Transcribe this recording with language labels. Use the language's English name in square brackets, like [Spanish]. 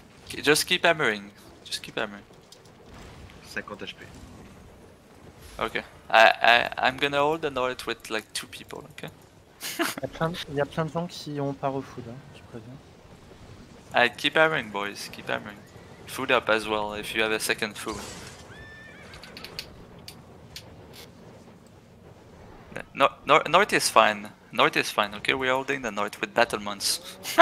[English] Just keep hammering. 50 HP. Okay. I'm gonna hold the north with like 2 people, okay? [French] Y'a plein de gens qui ont pas refood, hein, je préviens. [English] Alright, keep hammering, boys. Keep hammering. Food up as well if you have a second food. North is fine. North is fine, okay? We're holding the north with battlements.